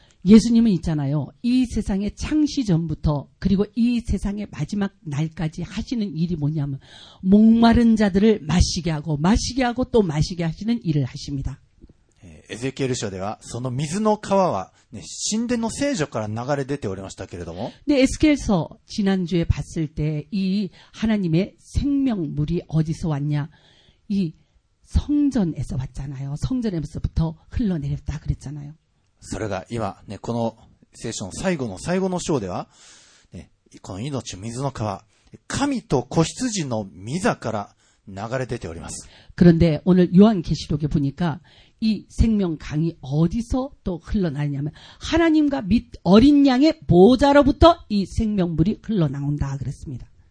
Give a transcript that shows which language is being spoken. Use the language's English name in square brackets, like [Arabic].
[Korean] イエス님은있잖아요。이세상의창시전부터、그리고이세상의마지막날까지하시는일이뭐냐면、목마른자들을마시게하고、마시게하고또마시게하시는일을하십니다。 [Japanese] エゼキエル書では、その水の川は、ね、神殿の聖所から流れ出ておりましたけれども。で、エスケエル書、 [Korean] 지난주에봤을때、이하나님의생명물이어디서왔냐。 이성전에서왔잖아요성전에서부터흘러내렸다그랬잖아요 [Japanese] それが今、ね、この聖書の最後の最後の章では、ね、この命水の川神と子羊の御座から流れ出ております [Korean] 그런데오늘요한계시록에보니까이생명강이어디서또흘러나냐면하나님과및어린양의보좌로부터이생명물이흘러나온다그랬습니다